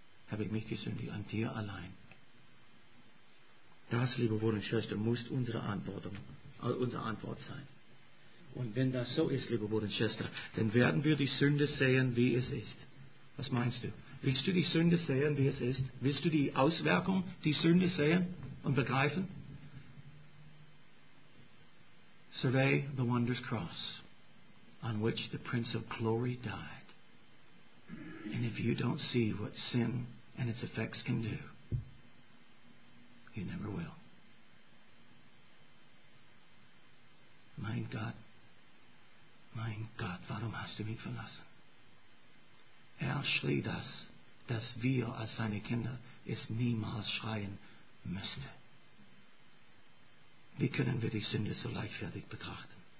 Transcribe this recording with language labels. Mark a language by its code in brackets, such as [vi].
[de] Habe ich mich gesündigt, an dir allein. Das, liebe Bruder und Schwester, muss unsere Antwort sein. Und wenn das so ist, liebe Bruder und Schwester, dann werden wir die Sünde sehen, wie es ist. Was meinst du? Willst du die Sünde sehen, wie es ist? Willst du die Auswirkung, die Sünde sehen und begreifen? [en] Survey the wondrous cross. On which the Prince of Glory died. And if you don't see what sin and its effects can do, you never will. [de] Mein Gott, warum hast du mich verlassen? Er schrie das, dass wir als seine Kinder es niemals schreien müssten. Wie können wir die Sünde so leichtfertig betrachten?